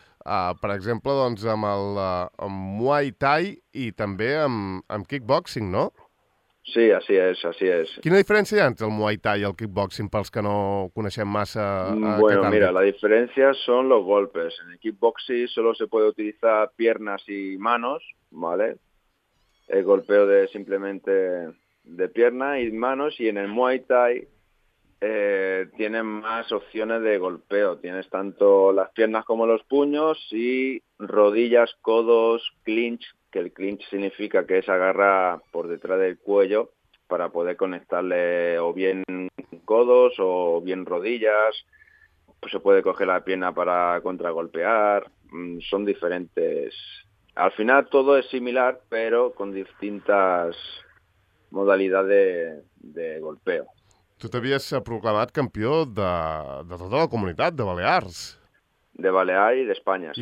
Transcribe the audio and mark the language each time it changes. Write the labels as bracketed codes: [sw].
[ca] Per exemple, doncs, amb el Muay Thai i també amb kickboxing, no? [es] Sí, así es, así es. [ca] Quina diferència hi ha entre el Muay Thai i el kickboxing pels que no coneixem massa aquest àmbit? [es] Bueno, mira, [ca] la diferència són [es] los golpes. En el kickboxing solo se puede utilizar piernas y manos, ¿vale? El golpeo de simplemente de pierna y manos, y en el Muay Thai tienen más opciones de golpeo. Tienes tanto las piernas como los puños y rodillas, codos, clinch, que el clinch significa que es agarrar por detrás del cuello para poder conectarle o bien codos o bien rodillas. Pues se puede coger la pierna para contragolpear. Son diferentes. Al final todo es similar, pero con distintas modalidades de golpeo. [ca] Tu t'havies proclamat campió de tota la comunitat, de Balears. De Balears i d'Espanya, sí.